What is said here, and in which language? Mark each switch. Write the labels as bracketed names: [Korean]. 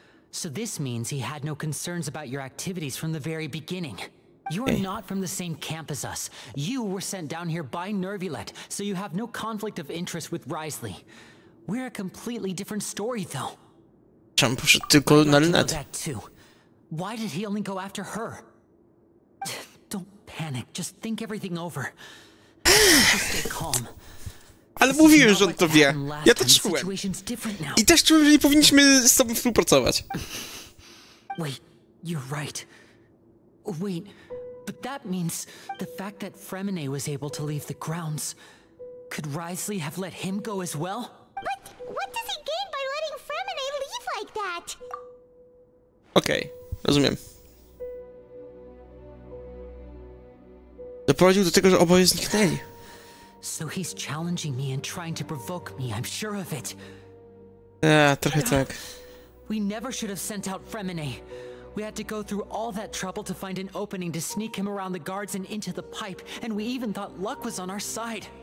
[English] So this means he had no concerns about your activities from the very beginning. You are not from the same camp as us. You were sent down here by Nervulet, so you have no conflict of interest with Rithsley. We're a completely different story, though. [Polish] Czemu poszedł tylko na Lynette? [English] Why did he only go after her? Don't panic, just think everything over. Stay calm. [Polish] Ale mówiłem, że on to wie. Ja też czułem. I też czułem, że nie powinniśmy z sobą współpracować. [English] Wait, you're right. Wait, but that means the fact that Fremenet was able to leave the grounds. Could Rithsley have let him go as well? But what does he gain by letting Fremenet leave like that? [Polish] Okej, okay, rozumiem. Doprowadził do tego, że oboje zniknęli. [English] So he's challenging me and trying to provoke me, I'm sure of it. [Polish] Yeah, trochę tak. [English] We never should have sent out Fremenet. We had to go through all that trouble to find an opening to sneak him around the guards and into the pipe, and we even thought luck was on our side.